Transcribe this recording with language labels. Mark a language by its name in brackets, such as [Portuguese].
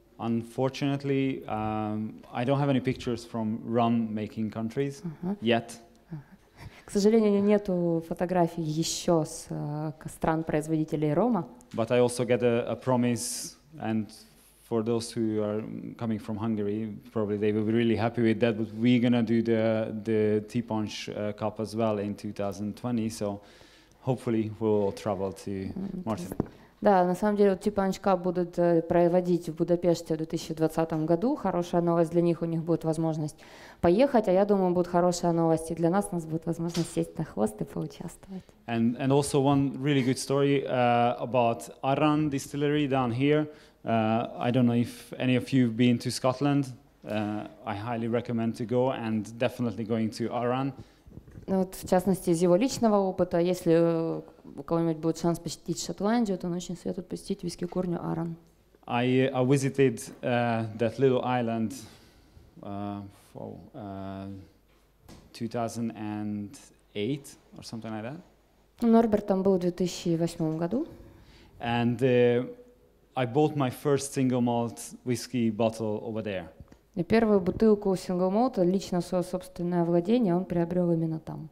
[English] Unfortunately, I don't have any pictures from rum-making countries yet. [Russian] К сожалению, нету фотографий еще с стран-производителей рома. [English] But I also get a promise and for those who are coming from Hungary, probably they will be really happy with that. But we're gonna do the T-Punch Cup as well in 2020. So hopefully we'll travel to Martin. [Russian] Да, на самом деле T-Punch Cup будут проводить в Будапеште в 2020 году. Хорошая новость для них, у них будет возможность поехать, а я думаю, будет хорошая новость и для нас, у нас будет возможность сесть на хвост и поучаствовать. [English] And also one really good story about Arran Distillery down here. I don't know if any of you have been to Scotland. I highly recommend to go and definitely going to Arran. [Russian] Вот, в частности, из его личного опыта, если у кого-нибудь будет шанс посетить Шотландию, то он очень советует посетить виски-курню Арран. [English] I visited that little island for 2008 or something like that. [Russian] Норберт там был в 2008 году. [English] And I bought my first single malt whiskey bottle over there. [Russian] И первую бутылку single malt лично свое собственное владение он приобрел именно там.